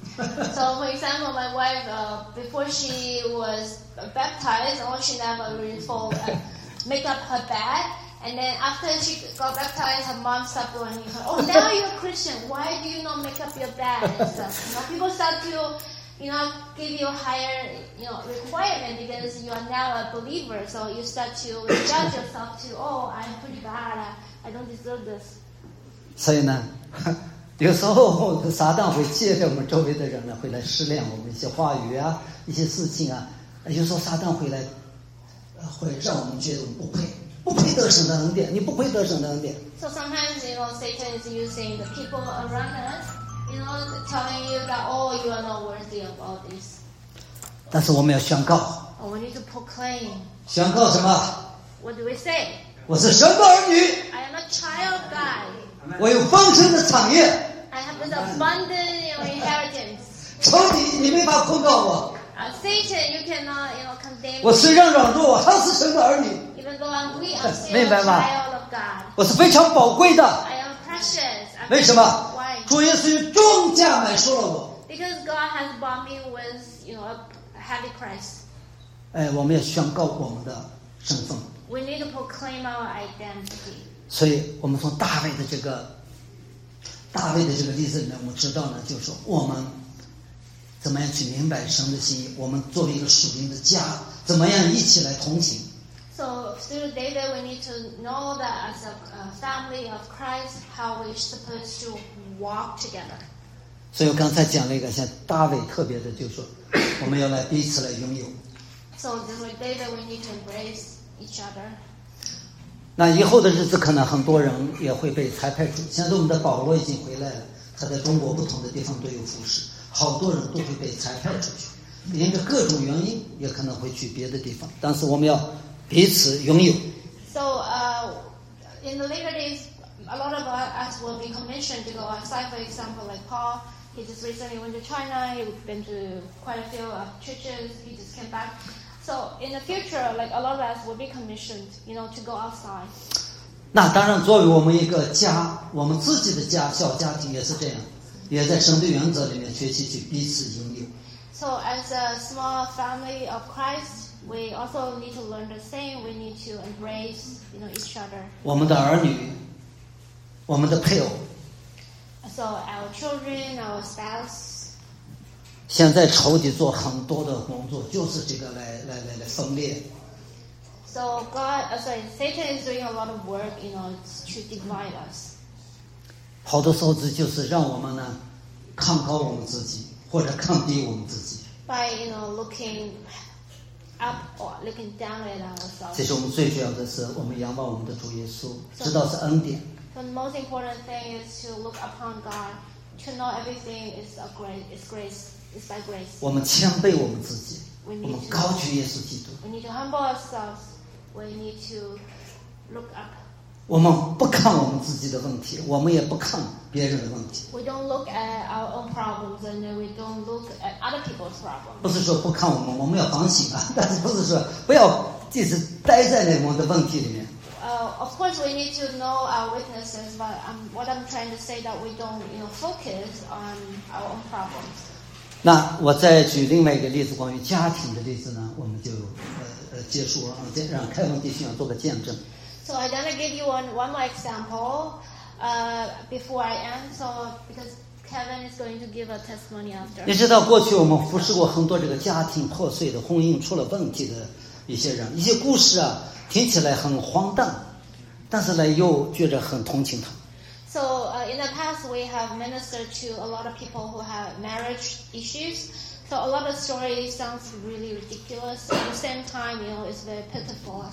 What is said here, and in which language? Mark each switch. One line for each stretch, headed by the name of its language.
English: So, for example, my wife, before she was baptized, or she never really fallmake up her bed, and then after she got baptized, her mom started warning her, oh, now you're a Christian, why do you not make up your bed? So, you know, people start to, you know, give you a higher, you know, requirement because you are now a believer, so you start to judge yourself to, oh, I'm pretty bad, I don't deserve this.
Chinese: 所以呢，有时候撒旦会借着我们周围的人呢，会来试炼我们一些话语啊，一些事情啊，有时候撒旦会来会让我们觉得我们不配得神的恩典，你不配得神的恩典。
English: So sometimes, you know, Satan is using the people around us, you know, telling you that, oh, you are not worthy of all this.
Chinese: 但是我们要宣告。
English: Oh, we need to proclaim.
Chinese: 宣告什么？
English: What do we say?
Chinese: 我是神的儿女。
English: I am a child of God.
Chinese: 我有丰盛的产业。
English: I have an abundant, you know, inheritance.
Chinese: 仇敌，你没法控告我。
English: Satan, you cannot, you know, condemn me.
Chinese: 我虽然软弱，我还是神的儿女。
English: Even though I'm weak, I'm still a child of God.
Chinese: 我是非常宝贵的。
English: I am precious.
Chinese: 为什么？
English: Why?
Chinese: 主耶稣重价买赎了我。
English: Because God has bought me with, you know, a heavy price.
Chinese: 哎，我们要宣告我们的身份。
English: We need to proclaim our identity.
Chinese: 所以我们从大卫的这个例子里面，我知道呢，就是我们。怎么样去明白神的心意？我们作为一个属灵的家，怎么样一起来同行
English: ？So through David, we need to know that as a family of Christ, how we supposed to walk together.
Chinese: 所以我刚才讲了一个，像大卫特别的，就是说我们要来彼此来拥有。
English: So through David, we need to embrace each other.
Chinese: 那以后的日子，可能很多人也会被裁派出。现在我们的保罗已经回来了，他在中国不同的地方都有服侍。好多人都会被裁派出去，连着各种原因也可能会去别的地方，但是我们要彼此拥有。
English: So, in the later days, a lot of us will be commissioned to go outside. For example, like Paul, he just recently went to China, he's been to quite a few churches, he just came back. So, in the future, like a lot of us will be commissioned, you know, to go outside.
Chinese: 那当然，作为我们一个家，我们自己的家，小家庭也是这样。也在神的原则里面学习去彼此拥有。
English: So as a small family of Christ, we also need to learn the same. We need to embrace, you know, each other.
Chinese: 我们的儿女，我们的配偶。
English: So our children, our spouse.
Chinese: 现在仇敌做很多的工作，就是这个来分裂。
English: So God, sorry, Satan is doing a lot of work, you know, to divide us.
Chinese: 好多时候，这就是让我们呢，看高我们自己，或者看低我们自己。
English: By you know looking up or looking down at ourselves.
Chinese: 其实我们最主要的是，我们仰望我们的主耶稣，知道是恩典。
English: So the most important thing is to look upon God, to know everything is a grace, is grace, is by grace.
Chinese: 我们谦卑我们自己，我们高举耶稣基督。
English: We need to humble ourselves. We need to look up.
Chinese: 我们不看我们自己的问题，我们也不看别人的问题。
English: We don't look at our own problems, and we don't look at other people's problems.
Chinese: 不是说不看我们，我们要反省啊，但是不是说不要一直待在我们的问题里面。
English: of course we need to know our weaknesses, but what I'm trying to say that we don't, you know, focus on our own problems.
Chinese: 那我再举另外一个例子，关于家庭的例子呢，我们就结束了，让开文弟兄做个见证。
English: So I'm gonna give you one more example, before I end. So because. Kevin is going to give a testimony after.
Chinese: 你知道过去我们服侍过很多这个家庭破碎的婚姻出了问题的一些人，一些故事啊，听起来很荒诞，但是呢又觉得很同情他。
English: So, in the past we have ministered to a lot of people who have marriage issues. So a lot of stories sounds really ridiculous. At the same time, you know, it's very pitiful.